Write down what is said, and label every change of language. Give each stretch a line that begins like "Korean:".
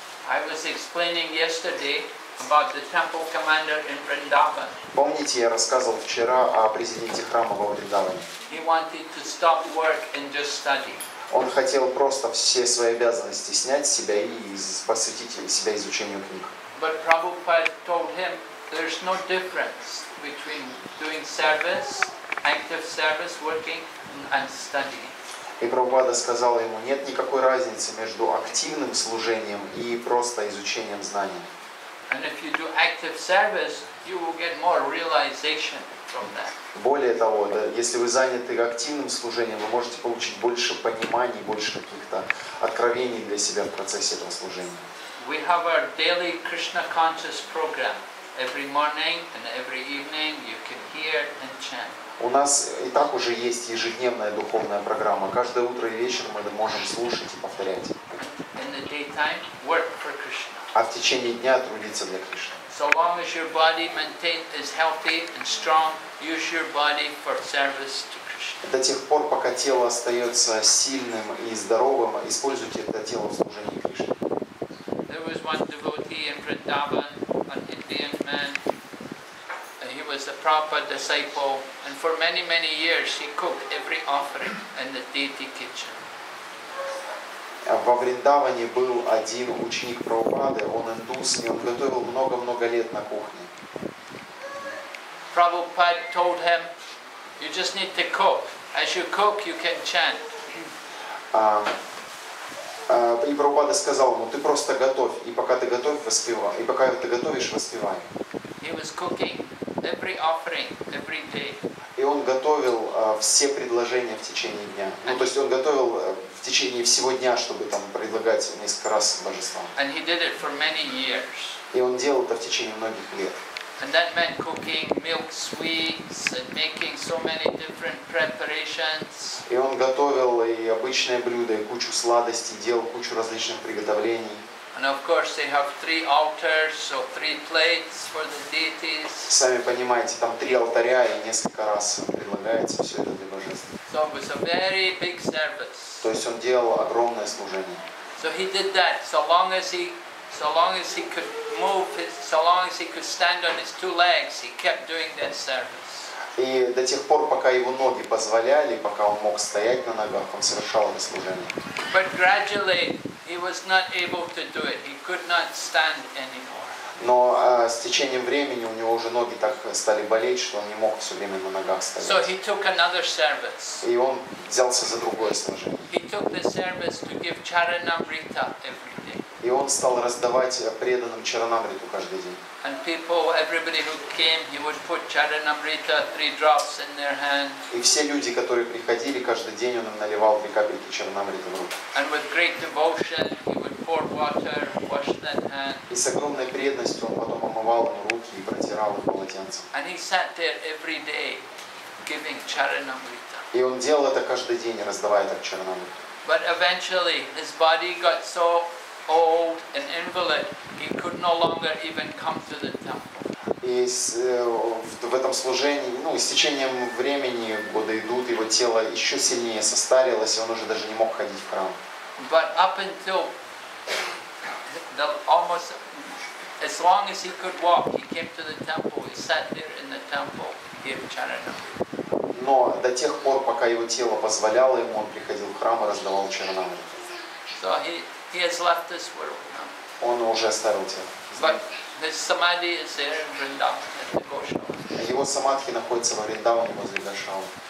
English: I was explaining yesterday about the temple commander in Vrindavan.
Russian: Помните, я рассказывал вчера о президенте храма во Вриндаване.
English: He wanted to stop work and just study.
Russian: Он хотел просто все свои обязанности снять с себя и посвятить себя изучению книг.
English: But Prabhupada told him there's no difference between doing service, active service, working and studying.
Russian: И Прабхупада сказал ему, нет никакой разницы между активным служением и просто изучением знаний.
English: And if you do active service, you will get more realization.
Russian: Более того, да, если вы заняты активным служением, вы можете получить больше понимания, больше каких-то откровений для себя в процессе этого служения.
English: We have our daily Krishna conscious program. Every morning and every evening you can hear and chant.
Russian: У нас и так уже есть ежедневная духовная программа. Каждое утро и вечер мы можем слушать и повторять.
English: In the daytime, work for Krishna.
Russian: А в течение дня трудиться для Кришны.
English: So long as your body maintained is healthy and strong, use your body for service to Krishna.
Russian: До тех пор, пока тело остается сильным и здоровым, используйте это тело в служении Кришне.
English: There was one devotee in Vrindavan, an Indian man. He was a proper disciple, and for many many years he cooked every offering in the deity kitchen.
Russian: Во Вриндаване был один ученик Прабхупады, он индус, и он готовил много-много лет на кухне.
English: Prabhupada told him, you just need to cook. As you cook, you can chant.
Russian: И Прабхупада сказал ему, ты просто готовь, и пока ты готовишь, воспевай. И пока ты готовишь, воспевай.
English: He was cooking every offering, every day.
Russian: И он готовил все предложения в течение дня. Ну, то есть он готовил в течение всего дня, чтобы там предлагать несколько раз божествам.
English: And he did it for many years.
Russian: И он делал это в течение многих лет.
English: And that meant cooking milk sweets and making so many different preparations.
Russian: И он готовил и обычное блюдо, и кучу сладостей, делал кучу различных приготовлений.
English: And of course, they have three altars, so three plates for the deities.
Russian: Сами понимаете, там три алтаря и несколько раз предлагается все это для божеств.
English: So it was a very big service.
Russian: То есть он делал огромное служение.
English: So he did that so long as he could stand on his two legs, he kept doing that service.
Russian: И до тех пор, пока его ноги позволяли, пока он мог стоять на ногах, он совершал это служение.
English: But gradually. He was not able to do it. He could not stand anymore.
Russian: Но с течением времени у него уже ноги так стали болеть, что он не мог все время на ногах стоять.
English: So he took another service.
Russian: И он взялся за другое служение.
English: He took the service to give charanamrita every day.
Russian: И он стал раздавать преданным чаранамриту каждый день.
English: And people, everybody who came, he would put charanamrita, three drops in their hand.
Russian: И все люди, которые приходили каждый день, он им наливал три капельки чаранамриты в руку.
English: And with great devotion, he would pour water, wash that hand.
Russian: И с огромной преданностью он потом омывал им руки и протирал их полотенцем.
English: And he sat there every day, giving charanamrita.
Russian: И он делал это каждый день, раздавая так чаранамриту.
English: But eventually, his body got so old and invalid, he could no longer even come to the temple.
Russian: И в этом служении, ну, с течением времени годы идут, его тело еще сильнее состарилось, и он уже даже не мог ходить в храм.
English: But up until almost as long as he could walk, he came to the temple. He sat there in the temple here in Charanamrita.
Russian: Но до тех пор, пока его тело позволяло ему, он приходил в храм и раздавал чаранамриту.
English: So he has left this world. No?
Russian: Он уже оставил тело.
English: But his samadhi is there in Vrindavan at the Goshala.
Russian: Его самадхи находится во Вриндаване возле Гошалы.